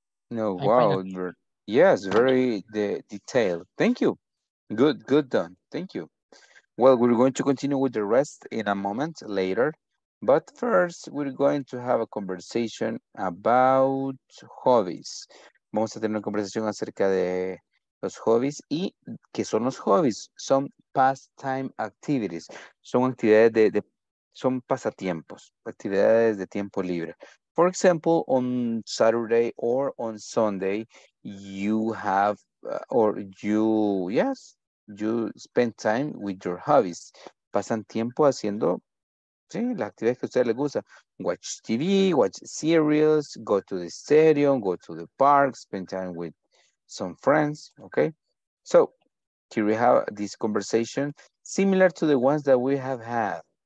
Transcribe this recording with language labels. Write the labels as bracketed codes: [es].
[en] No, I wow. Yes, very detailed. Thank you. Good done. Thank you. Well, we're going to continue with the rest in a moment later. But first, we're going to have a conversation about hobbies. [es] Vamos a tener una conversación acerca de los hobbies. ¿Y qué son los hobbies? Son [en] pastime activities. [es] Son actividades son pasatiempos, actividades de tiempo libre. [en] For example, on Saturday or on Sunday, you have, you spend time with your hobbies. [es] Pasan tiempo haciendo, sí, las actividades que a ustedes les gusta. [en] Watch TV, watch series, go to the stadium, go to the park, spend time with some friends, okay? So, here we have this conversation similar to the ones that we have had.